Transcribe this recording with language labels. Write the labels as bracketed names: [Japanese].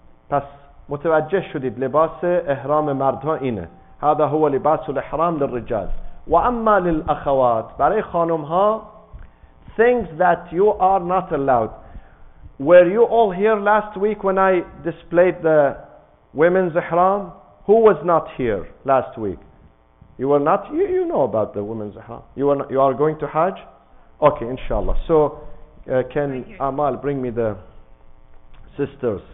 [Persian] پس متوجه شدید لباس احرام مردان اینه. [Arabic] هذا هو لباس الإحرام للرجال وأما للأخوات [Persian] برای خانم ها [English] things that you are not allowed. Were you all here last week when I displayed the women's Ihram? Who was not here last week? You were not. You know about the women's Ihram. You are going to Hajj? Okay, inshallah. So can Amal bring me the sisters?